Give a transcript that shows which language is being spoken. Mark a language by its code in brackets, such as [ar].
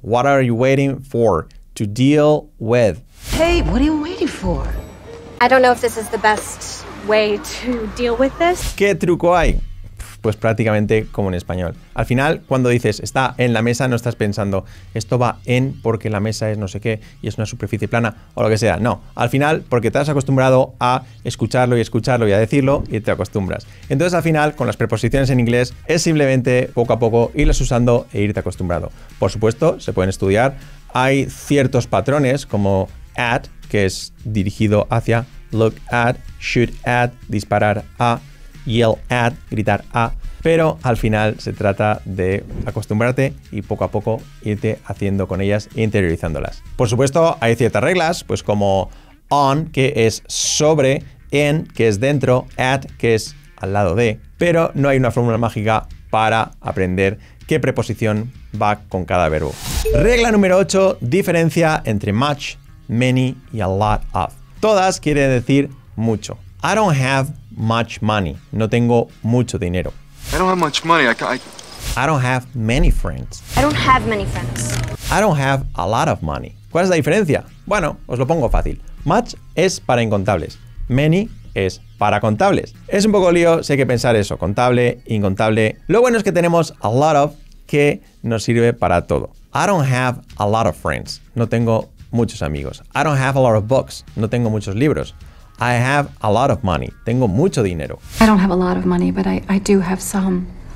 [en] What are you waiting for? To deal with. Hey, what are you waiting for? I don't know if this is the best way to deal with this. [es] ¿Qué truco hay? Pues prácticamente como en español. Al final, cuando dices está en la mesa, no estás pensando esto va en porque la mesa es no sé qué y es una superficie plana o lo que sea. No, al final, porque te has acostumbrado a escucharlo y escucharlo y a decirlo y te acostumbras. Entonces, al final, con las preposiciones en inglés, es simplemente poco a poco irlas usando e irte acostumbrado. Por supuesto, se pueden estudiar. Hay ciertos patrones como at, que es dirigido hacia, look at, shoot at, disparar a, yell at, gritar a, pero al final se trata de acostumbrarte y poco a poco irte haciendo con ellas e interiorizándolas. Por supuesto, hay ciertas reglas, pues como on, que es sobre, in, que es dentro, at, que es al lado de, pero no hay una fórmula mágica para aprender qué preposición va con cada verbo. Regla número 8, diferencia entre much, many y a lot of. Todas quieren decir mucho. [en] I don't have much money. [es] No tengo mucho dinero. [en] I don't have much money. I don't have many friends. I don't have many friends. I don't have a lot of money. [es] ¿Cuál es la diferencia? Bueno, os lo pongo fácil. Much es para incontables. Many es para contables. Es un poco lío, sé que pensar eso, contable, incontable. Lo bueno es que tenemos a lot of que nos sirve para todo. [en] I don't have a lot of friends. [es] No tengo muchos amigos. [en] I don't have a lot of books. [es] No tengo muchos libros. [en] I have a lot of money. [es] Tengo mucho dinero. [en] I don't have a lot of money, but I do have some.